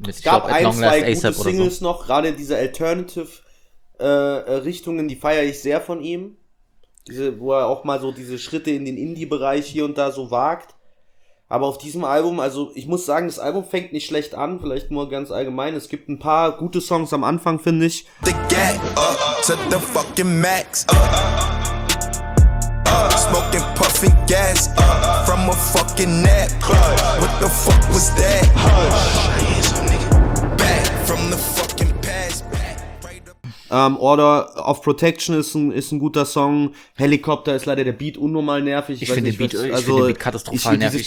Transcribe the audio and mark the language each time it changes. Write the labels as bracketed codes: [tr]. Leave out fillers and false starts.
[de] es gab ein, zwei gute Singles noch, gerade diese Alternative-Richtungen, die feiere ich sehr von ihm. Wo er auch mal so diese Schritte in den Indie-Bereich hier und da so wagt. Aber auf diesem Album, also ich muss sagen, das Album fängt nicht schlecht an, vielleicht nur ganz allgemein. Es gibt ein paar gute Songs am Anfang, finde ich. [en] The gag, to the fucking max. Smoking, puffing gas from a fucking nap. What the fuck was that? Back from the fucking past. [de] Order of Protection ist ein guter Song. Helikopter ist leider der Beat unnormal nervig. Ich finde den Beat katastrophal nervig.